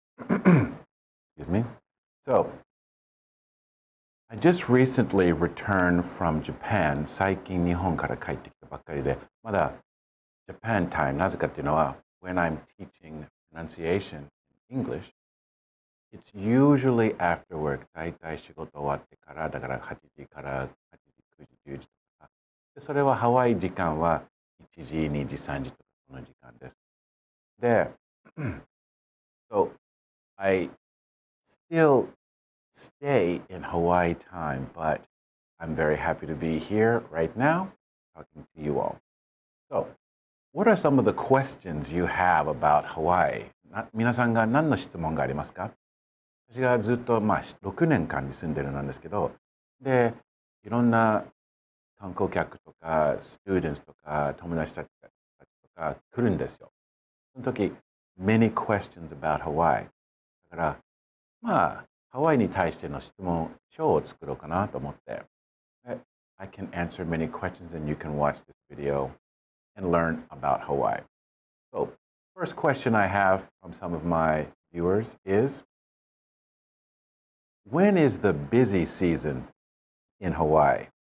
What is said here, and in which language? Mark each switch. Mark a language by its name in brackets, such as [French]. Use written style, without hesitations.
[English] Excuse me. So, I just recently returned from Japan. [Japanese] 最近日本から帰ってきたばっかりで、まだ [English] Japan time. [Japanese] なぜかっていうのは、 [English] when I'm teaching pronunciation in English, it's usually after work. [Japanese] だいたい仕事終わってから、だから8時から8時、9時、10時とか。で、それはハワイ時間は1時、2時、3時とかこの時間です。 [English] で、So, I still stay in Hawaii time, but I'm very happy to be here right now talking to you all. So, what are some of the questions you have about Hawaii? [Japanese] 皆さんが何の質問がありますか?私がずっと、まあ、6年間に住んでるなんですけど、で、いろんな観光客とか、students とか、友達たちとか来るんですよ。その時、 [English] Many questions about Hawaii. [Japanese] だから、まあ、ハワイに対しての質問、ショーを作ろうかなと思って。 [English] I can answer many questions and you can watch this video and learn about Hawaii. So, first question I have from some of my viewers is, when is the busy season in Hawaii?